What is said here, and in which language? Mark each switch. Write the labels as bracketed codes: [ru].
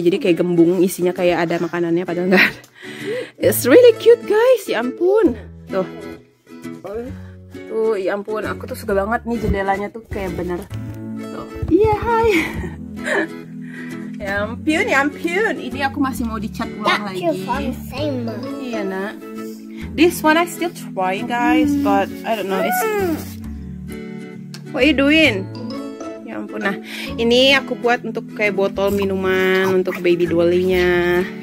[id] Jadi kayak gembung isinya kayak ada makanannya padahal enggak. [en] It's really cute guys, [id] ya ampun. Tuh. Tuh, ya ampun, aku tuh suka banget nih jendelanya tuh kayak bener. Iya, yeah, hai. Ya ampun, ya ampun. Ini aku masih mau dicat ulang lagi. Iya, nak. [en] This one I still trying, guys, but I don't know. It's... What are you doing? [id] Ya ampun, nah. Ini aku buat untuk kayak botol minuman untuk baby dolly-nya.